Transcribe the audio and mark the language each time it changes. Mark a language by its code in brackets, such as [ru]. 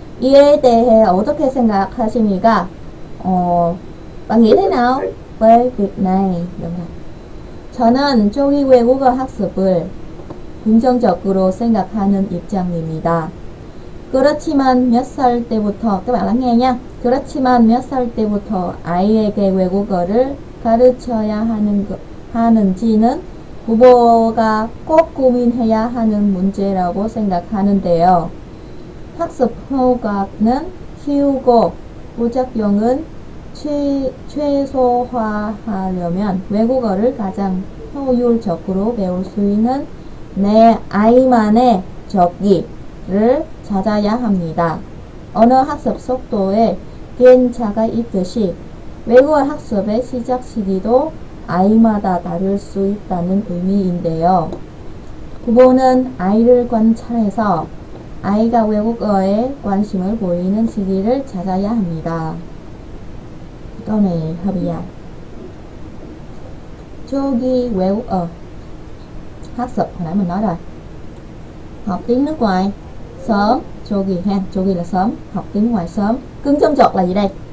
[ko] 이에 대해 어떻게 생각하십니까? [vi] 뭐 nghĩ thế nào về việc này? [ko] 저는 조기 외국어 학습을 긍정적으로 생각하는 입장입니다. 그렇지만 몇 살 때부터 [vi] các bạn lắng nghe nha. [ko] 그렇지만 몇 살 때부터 아이에게 외국어를 가르쳐야 하는지는 부모가 꼭 고민해야 하는 문제라고 생각하는데요. 학습 효과는 키우고 부작용은 최소화하려면 외국어를 가장 효율적으로 배울 수 있는 내 아이만의 적기를 찾아야 합니다. 언어 학습 속도에 괜차가 있듯이 외국어 학습의 시작 시기도 아이마다 다를 수 있다는 의미인데요. 부모는 아이를 관찰해서 아이가 외국어에 관심을 보이는 시기를 찾아야 합니다. 이거네, 허비야. 초기 외국어 학습, 하나 한번 [vi] nói rồi. Học tiếng nước ngoài sớm, 초기 ha, 초기 là sớm, học tiếng ngoài sớm. Cứng trong trọt là gì đây?